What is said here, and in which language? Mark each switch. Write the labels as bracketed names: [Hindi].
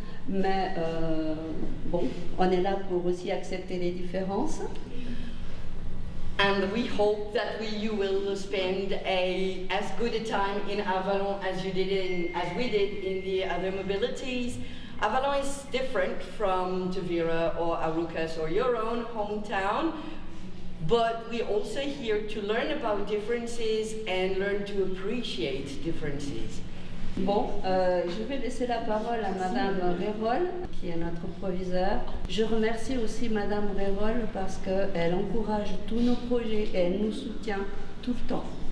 [French] Mais bon, on est là pour aussi accepter les différences. [English] And we hope that you will spend as good a time in Avallon as we did in the other mobilities. Avallon is different from Tavira or Arucas or your own hometown, but we're also here to learn about differences and learn to appreciate differences. [French] Bon, je vais laisser la parole à Madame Rérol, qui est notre proviseur. Je remercie aussi Madame Rérol parce qu'elle encourage tous nos projets et elle nous soutient tout le temps.